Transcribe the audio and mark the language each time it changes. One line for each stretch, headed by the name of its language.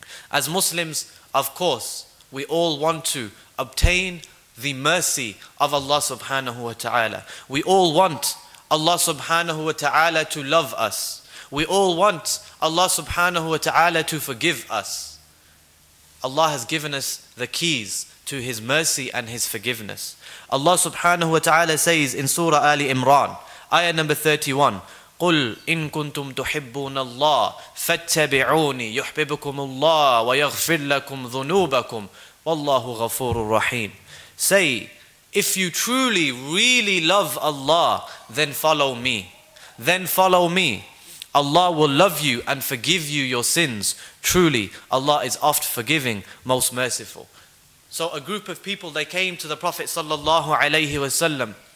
English: As Muslims, of course, we all want to obtain the mercy of Allah subhanahu wa ta'ala. We all want Allah subhanahu wa ta'ala to love us. We all want Allah subhanahu wa ta'ala to forgive us. Allah has given us the keys to His mercy and His forgiveness. Allah subhanahu wa ta'ala says in Surah Ali Imran, ayah number 31,
Arabic: قُلْ إِن كُنْتُمْ تُحِبُّونَ اللَّهِ فَاتَّبِعُونِي يُحْبِبُكُمُ اللَّهِ وَيَغْفِرْ لَكُمْ ذُنُوبَكُمْ وَاللَّهُ غَفُورٌ رَحِيمٌ.
English: Say, if you truly, really love Allah, then follow me. Then follow me. Allah will love you and forgive you your sins. Truly, Allah is oft forgiving, most merciful. So a group of people, they came to the Prophet sallallahu alayhi wasallam,